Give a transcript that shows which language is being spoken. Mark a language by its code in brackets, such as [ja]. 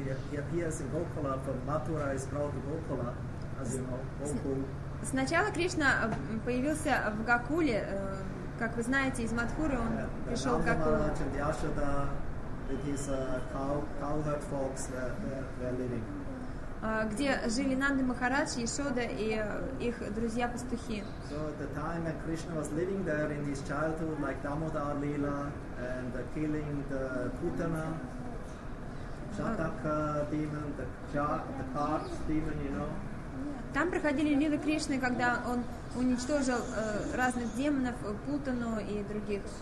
[en] He appears in Gokula from Mathura is called Gokula, as you know, Gokul. [ru] Сначала Кришна появился в Гокуле, как вы знаете, из Матхуры он пришел в Гокулу. [en] And Yashoda with his cowherd folks were living. [ru] Где жили Нанда Махарадж, Яшода и их друзья-пастухи. [en] So at the time when Krishna was living there in his childhood, like Damodar Lila and killing the Putana, Shataka demon, the Kart demon, you know. [ru] Там проходили лилы Кришны, когда он уничтожил разных демонов, Путану и других.